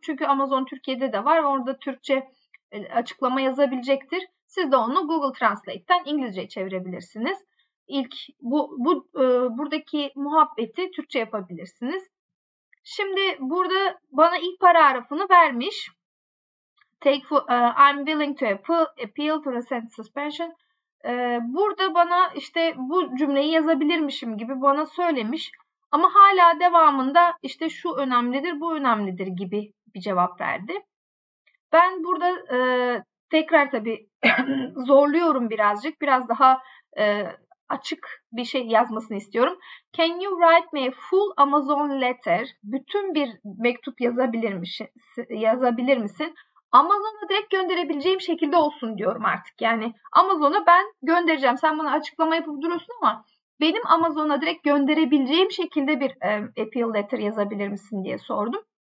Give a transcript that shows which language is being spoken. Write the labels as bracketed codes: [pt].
[tr] Çünkü Amazon Türkiye'de de var. Orada Türkçe açıklama yazabilecektir. Siz de onu Google Translate'ten İngilizceye çevirebilirsiniz. İlk buradaki muhabbeti Türkçe yapabilirsiniz. Şimdi burada bana ilk paragrafını vermiş. [en] I'm willing to appeal to recent suspension. [tr] Burada bana işte bu cümleyi yazabilirmişim gibi bana söylemiş. Ama hala devamında işte şu önemlidir, bu önemlidir gibi bir cevap verdi. Ben burada tekrar tabii zorluyorum birazcık. Biraz daha açık bir şey yazmasını istiyorum. [en] Can you write me a full Amazon letter? [tr] Bütün bir mektup yazabilir misin? Amazon'a direkt gönderebileceğim şekilde olsun diyorum artık. Yani Amazon'a ben göndereceğim. Sen bana açıklama yapıp duruyorsun ama benim Amazon'a direkt gönderebileceğim şekilde bir appeal letter yazabilir misin diye sordum.